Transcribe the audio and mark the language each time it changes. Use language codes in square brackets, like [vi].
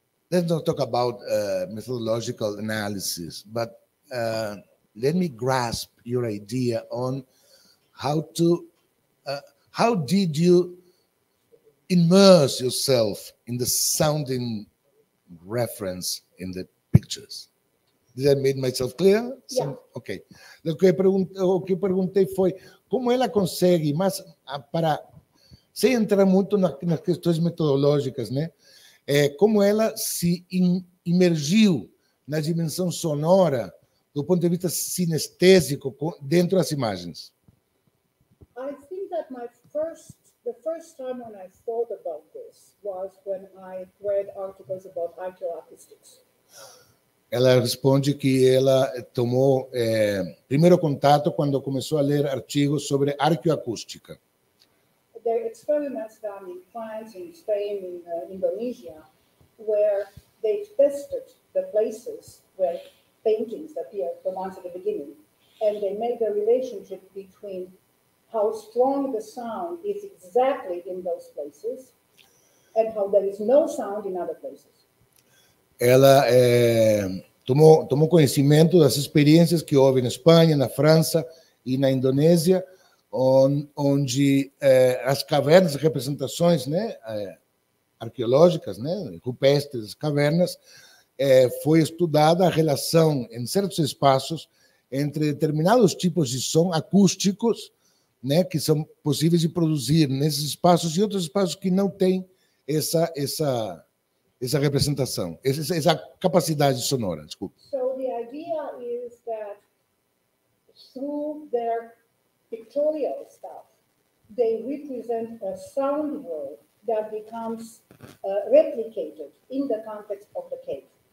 [en] Let's not talk about methodological analysis, but let me grasp your idea on how to, how did you immerse yourself in the sounding reference in the pictures. Did I make myself clear? Yeah. Okay. [pt] O que eu perguntei foi como ela consegue, mas para sem entrar muito nas questões metodológicas, né? Como ela se imergiu na dimensão sonora do ponto de vista sinestésico dentro das imagens. [en] I think that my first The first time when I thought about this was when I read articles about archaeoacoustics. [pt] Ela responde que ela tomou primeiro contato quando começou a ler artigos sobre arqueoacústica. [en] There are experiments done in France, in Spain, in Indonesia, where they tested the places where paintings appear, the ones at the beginning, and they made the relationship between how strong the sound is exactly in those places and how there is no sound in other places. [pt] Ela tomou conhecimento das experiências que houve na Espanha, na França e na Indonésia, onde as cavernas, representações, né, arqueológicas, né, rupestres, cavernas, foi estudada a relação em certos espaços entre determinados tipos de som acústicos, né, que são possíveis de produzir nesses espaços e outros espaços que não têm essa representação, essa capacidade sonora. Desculpa. [en] So the idea is that through their pictorial stuff, they represent a sound world that becomes replicated in the context of the cave.